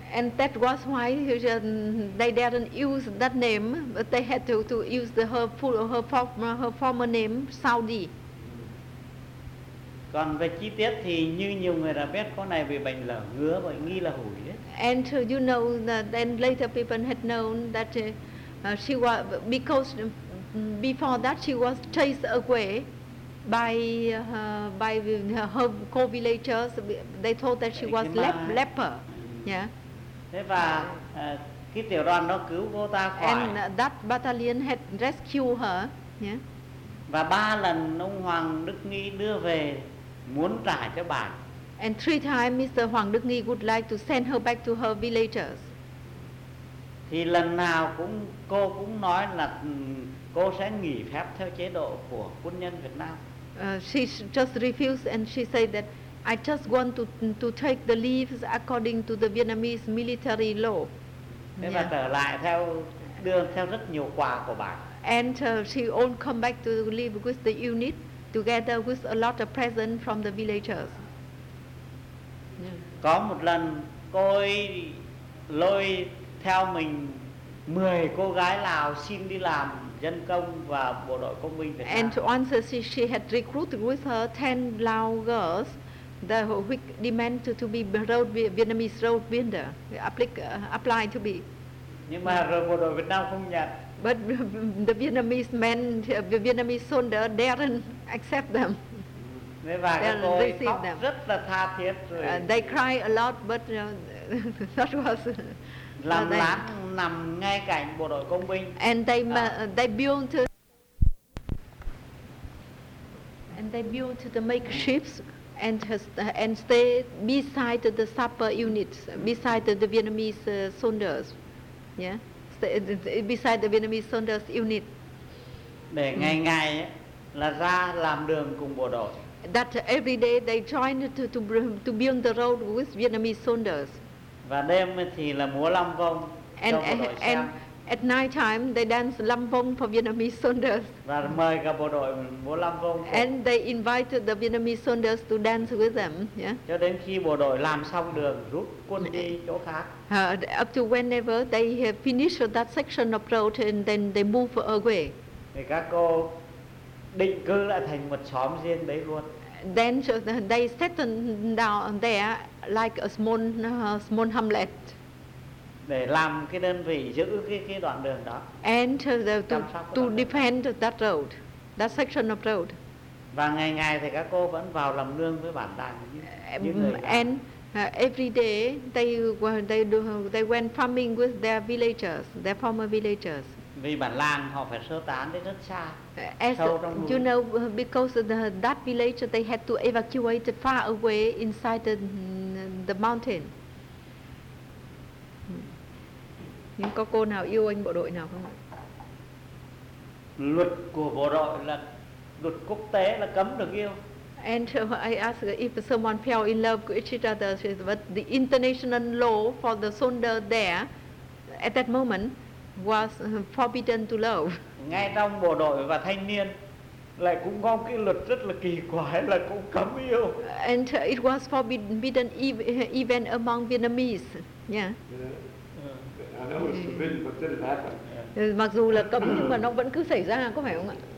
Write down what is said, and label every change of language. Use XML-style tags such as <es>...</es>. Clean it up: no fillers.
<en>And that was why they didn't use that name, but they had to use her former name Saudi.</en> <vi>Còn về chi tiết thì như nhiều người đã biết, con này bị bệnh lở ngứa, bị nghi là hủi.</vi> <en>And you know that then later people had known that she was, because before that she was chased away by her co-villagers. They thought that she was leper. Yeah.</en> <vi>Thế và cái tiểu đoàn nó cứu cô ta khỏi.</vi> <en>And that battalion had rescued her. Yeah.</en> <vi>Và ba lần ông Hoàng Đức Nghi đưa về muốn trả cho bà.</vi> <en>And 3 times Mr. Hoàng Đức Nghi would like to send her back to her villagers.</en> <vi>Thì lần nào cũng cô cũng nói là cô sẽ nghỉ phép theo chế độ của quân nhân Việt Nam.</vi> <en>She just refused and she said that I just want to take the leaves according to the Vietnamese military law.</en> <vi>Thế mà trở lại theo đường theo rất nhiều quà của bà.</vi> <en>And she all come back to live with the unit together with a lot of presents from the villagers.</en> <vi>Có một lần cô ấy lôi theo mình 10 cô gái Lào xin đi làm dân công và bộ đội công binh Việt Nam.</vi> <en>And to answer, she had recruited with her 10 Lao girls, the who demand to be road Vietnamese road builder, apply to be.</en> <vi>Nhưng mà bộ đội Việt Nam không nhận.</vi> <en>But the Vietnamese men, the Vietnamese soldier didn't accept them.</en> <vi>Nên và tôi khóc rất là tha thiết rồi.</vi> <en>They cry a lot, but that was.</en> <vi>Làm lán nằm ngay cạnh bộ đội công binh.</vi> <en>And they built. And they built the makeshifts and stay beside the sapper units, beside the Vietnamese soldiers, yeah. Beside the Vietnamese soldiers unit.</en> <vi>Để ngày ngày là ra làm đường cùng bộ đội.</vi> <en>That every day they joined to build the road with Vietnamese soldiers.</en> <vi>Và đêm thì là múa lâm vong</vi> <en>and at night time they dance lâm vong for Vietnamese soldiers.</en> <vi>Và mời cả bộ đội múa lâm vong.</vi> <en>And they invited the Vietnamese soldiers to dance with them. Yeah.</en> <vi>Cho đến khi bộ đội làm xong đường rút quân đi chỗ khác.</vi> <en>Up to whenever they have finished that section of road and then they move away.</en> <vi>Thì các cô định cư lại thành một xóm riêng đấy luôn.</vi> <en>Then they settled down there like a small hamlet.</en> <vi>Để làm cái đơn vị giữ cái đoạn đường đó.</vi> <en>And to defend that road, that section of road.</en> <vi>Và ngày ngày thì các cô vẫn vào làm nương với bản đàn những người.</vi> <en>And every day they went farming with their villagers, their former villagers.</en> <vi>Vì bản làng họ phải sơ tán đến rất xa.</vi> <en>As</en> <vi>sâu trong núi.</vi> <en>You know, because that village they had to evacuate far away inside the mountain.</en> <vi>Nhưng có cô nào yêu anh bộ đội nào không ạ? Luật của bộ đội là luật quốc tế là cấm được yêu.</vi> <en>And I asked if someone fell in love with each other, but the international law for the soldier there at that moment was forbidden to love.</en> <vi>Ngay trong bộ đội và thanh niên lại cũng có cái luật rất là kỳ quái là cũng cấm yêu.</vi> <en>And it was forbidden even among Vietnamese. Yeah. Yeah. I know it's forbidden, but then it happened.</en> <vi>Mặc dù là cấm nhưng mà nó vẫn cứ xảy ra, có phải không ạ?</vi>